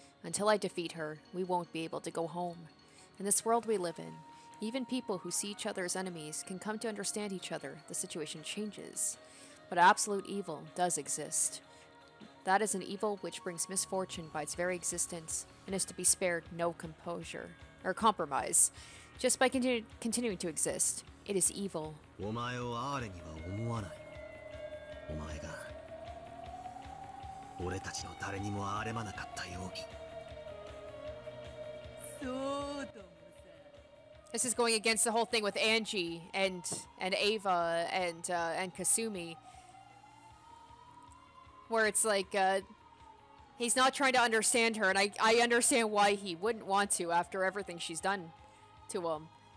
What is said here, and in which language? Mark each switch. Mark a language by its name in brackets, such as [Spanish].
[English] Until I defeat her, we won't be able to go home. In this world we live in, even people who see each other as enemies can come to understand each other, the situation changes. But absolute evil does exist. That is an evil which brings misfortune by its very existence and is to be spared no composure or compromise. Just by continuing to exist, it is evil. [Japanese] お前を哀には思わない。お前が俺たちの誰にも哀まなかったように。そうとも。 [English] This is going against the whole thing with Angie and Ava and Kasumi. Where it's like, he's not trying to understand her, and I understand why he wouldn't want to after everything she's done to him.